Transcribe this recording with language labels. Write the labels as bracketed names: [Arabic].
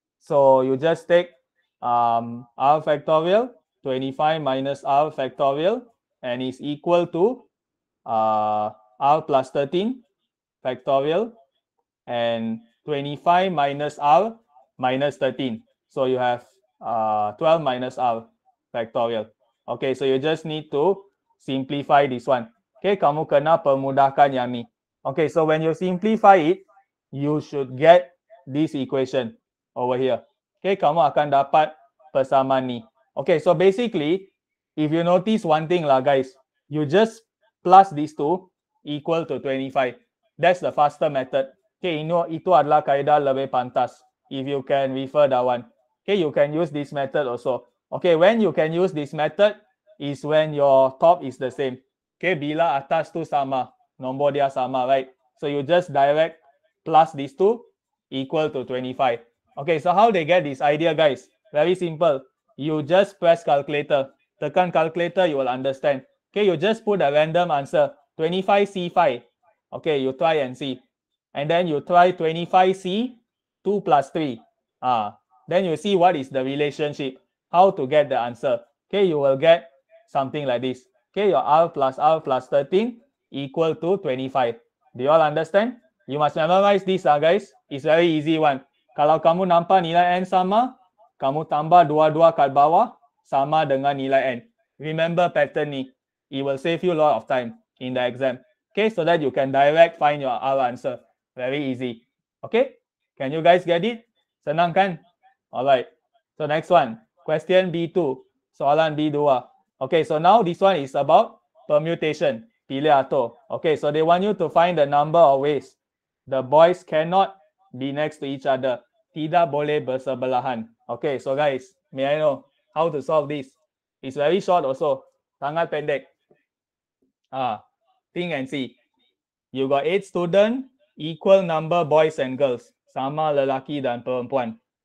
[English] So you just take R factorial, 25 minus R factorial, and is equal to R plus 13 factorial, and 25 minus R minus 13. So you have 12 minus R factorial. Okay, so you just need to simplify this one. [Malay] Okay, kamu kena permudahkan yang ni. [English] Okay, so when you simplify it, you should get this equation over here. Okay, [Malay] kamu akan dapat persamaan ni. [English] Okay, so basically, if you notice one thing lah, guys, you just plus these two equal to 25. That's the faster method. Okay, [Malay] ini itu adalah kaedah lebih pantas. [English] If you can refer that one. Okay, you can use this method also. Okay, when you can use this method is when your top is the same. Okay, [Malay] bila atas tu sama. Nombor dia sama, [English] right? So you just direct plus these two equal to 25. Okay, so how they get this idea, guys? Very simple. You just press calculator. [Malay] Tekan calculator, [English] you will understand. Okay, you just put a random answer. 25C5. Okay, you try and see. And then you try 25C 2 plus 3. Then you see what is the relationship. How to get the answer. Okay, you will get something like this. Okay, your R plus 13 equal to 25. Do you all understand? You must memorize this, guys. It's very easy one. [Malay] Kalau kamu nampak nilai N sama, kamu tambah dua-dua kat bawah, sama dengan nilai N. [English] Remember pattern ni. It will save you a lot of time in the exam. Okay, so that you can direct find your R answer. Very easy. Okay? Can you guys get it? [Malay] Senang kan? [English] Alright. So next one. Question B2. [Malay] Soalan B2. [English] Okay, so now this one is about permutation. [Malay] Pilih atau. [English] Okay, so they want you to find the number of ways the boys cannot be next to each other. [Malay] Tidak boleh bersebelahan. [English] Okay, so guys, may I know how to solve this? It's very short also. [Malay] Sangat pendek. [English] Think and see. You got 8 student, equal number boys and girls. [Malay] Sama lelaki dan perempuan.